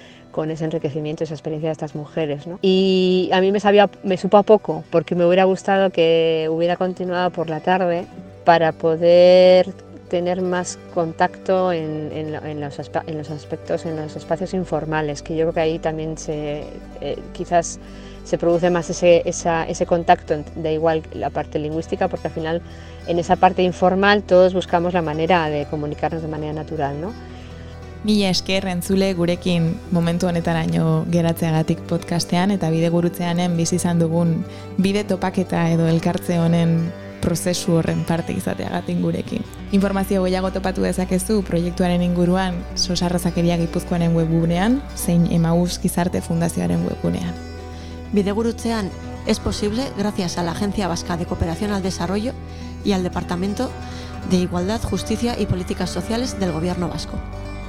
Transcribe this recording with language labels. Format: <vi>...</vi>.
<es>con ese enriquecimiento, esa experiencia de estas mujeres, ¿no? Y a mí me supo a poco, porque me hubiera gustado que hubiera continuado por la tarde para poder tener más contacto en los aspectos, en los espacios informales, que yo creo que ahí también quizás se produce más ese contacto, da igual la parte lingüística, porque al final en esa parte informal todos buscamos la manera de comunicarnos de manera natural, ¿no?</es> <eu>Mila esker entzule gurekin momentu honetaraino geratzeagatik podcastean eta bide gurutzeanen bizi izan dugun bide topaketa edo elkartze honen prozesu horren parte izateagatik gurekin. Informazio gehiago topatu dezakezu proiektuaren inguruan Sosarrazakeria Gipuzkoaren webgunean zein Emaus Gizarte Fundazioaren webgunean.</eu> <es>Bidegurutzean es posible gracias a la Agencia Vasca de Cooperación al Desarrollo y al Departamento de Igualdad, Justicia y Políticas Sociales del Gobierno Vasco.</es>